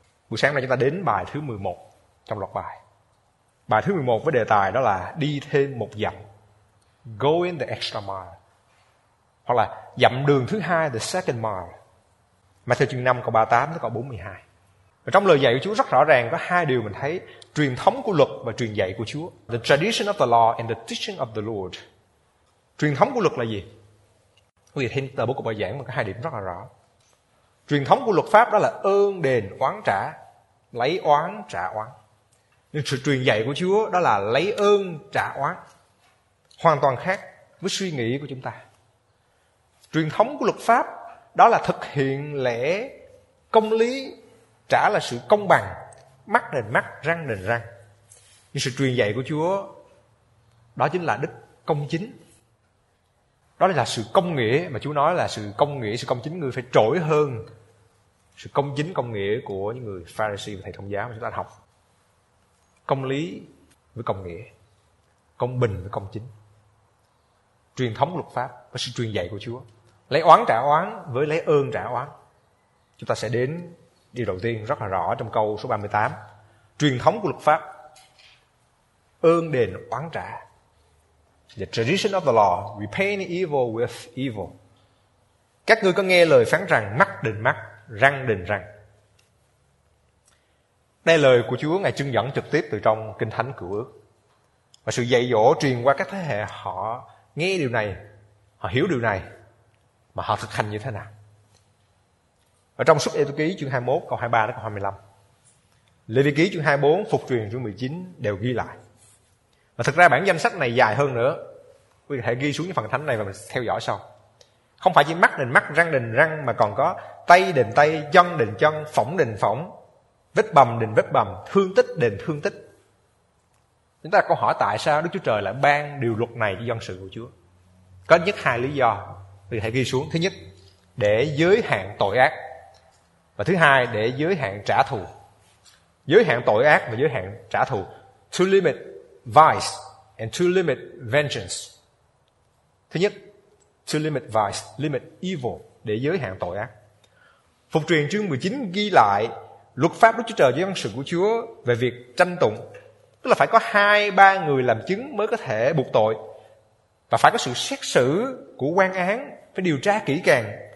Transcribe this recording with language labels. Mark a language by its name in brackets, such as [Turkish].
[Vietnamese] Buổi sáng nay chúng ta đến bài thứ 11 trong loạt bài. Bài thứ 11 với đề tài đó là đi thêm một dặm, [English] going the extra mile, [Vietnamese] hoặc là dặm đường thứ hai, [English] the second mile. [Vietnamese] Matthew chương 5 câu 38 tới câu 42. Và trong lời dạy của Chúa rất rõ ràng có hai điều mình thấy: truyền thống của luật và truyền dạy của Chúa. [English] The tradition of the law and the teaching of the Lord. [Vietnamese] Truyền thống của luật là gì? Quý vị thấy tờ bố của bài giảng mà có hai điểm rất là rõ. Truyền thống của luật pháp đó là ơn đền oán trả, lấy oán trả oán. Nhưng sự truyền dạy của Chúa đó là lấy ơn trả oán, hoàn toàn khác với suy nghĩ của chúng ta. Truyền thống của luật pháp đó là thực hiện lẽ công lý, trả là sự công bằng, mắt đền mắt, răng đền răng. Nhưng sự truyền dạy của Chúa đó chính là đức công chính. Đó là sự công nghĩa mà Chúa nói là sự công nghĩa, sự công chính, người phải trỗi hơn sự công chính, công nghĩa của những người Pharisee và thầy thông giáo mà chúng ta học. Công lý với công nghĩa, công bình với công chính. truyền thống luật pháp và sự truyền dạy của Chúa. Lấy oán trả oán với lấy ơn trả oán. Chúng ta sẽ đến điều đầu tiên rất là rõ trong câu số 38. Truyền thống của luật pháp, ơn đền oán trả. [English] The tradition of the law, repaying evil with evil. [Vietnamese] Các ngươi có nghe lời phán rằng mắt đền mắt, răng đền răng. Đây là lời của Chúa, Ngài trưng dẫn trực tiếp từ trong Kinh Thánh Cựu Ước. Và sự dạy dỗ truyền qua các thế hệ, họ nghe điều này, họ hiểu điều này, mà họ thực hành như thế nào. Ở trong Xuất Ê Tô Ký chương 21, câu 23 đến câu 25, Lê Vi Ký chương 24, Phục Truyền chương 19 đều ghi lại. Và thực ra bản danh sách này dài hơn nữa, quý vị hãy ghi xuống những phần thánh này và mình theo dõi sau. Không phải chỉ mắt đền mắt, răng đền răng, mà còn có tay đền tay, chân đền chân, phỏng đền phỏng, vết bầm đền vết bầm, thương tích đền thương tích. Chúng ta có hỏi tại sao Đức Chúa Trời lại ban điều luật này cho dân sự của Chúa? Có nhất hai lý do, quý vị hãy ghi xuống. Thứ nhất, để giới hạn tội ác. Và thứ hai, để giới hạn trả thù. Giới hạn tội ác và giới hạn trả thù. [English] To limit vice and to limit vengeance. [Vietnamese] Thứ nhất, [English] to limit vice, limit evil, [Vietnamese] để giới hạn tội ác. Phục Truyền chương 19 ghi lại luật pháp Đức Chúa Trời với dân sự của Chúa về việc tranh tụng. Tức là phải có 2-3 người làm chứng mới có thể buộc tội. Và phải có sự xét xử của quan án, phải điều tra kỹ càng.